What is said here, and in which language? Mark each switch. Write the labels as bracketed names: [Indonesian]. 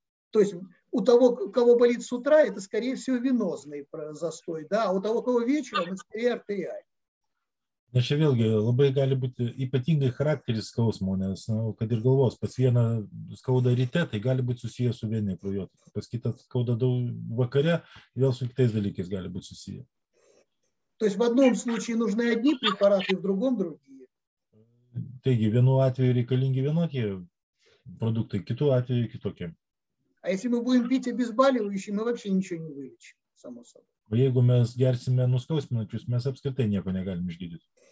[Russian] То есть у того, у кого болит с утра, это скорее всего венозный застой, да, а у того, у кого вечером, это скорее артериальный. [Lithuanian] Na, čia vėlgi labai gali būti ypatingai charakteris skausmo, nes nu, kad ir galvos, pas vieną skauda ryte, tai gali būti susiję su vienai kraujotaka, pas kitą skauda daug vakare, vėl su kitais dalykais gali būti susiję. [Russian] То есть в одном случае нужны одни препараты, в другом другие. [Lithuanian] Taigi, vienu atveju reikalingi vienokie produktai, kitu atveju kitokie. [Russian] А если мы будем пить обезболивающие, мы вообще ничего не вылечим, само собой. [Lithuanian] O jeigu mes gersime nuskausminančius, mes apskritai nieko negalim išgydyti.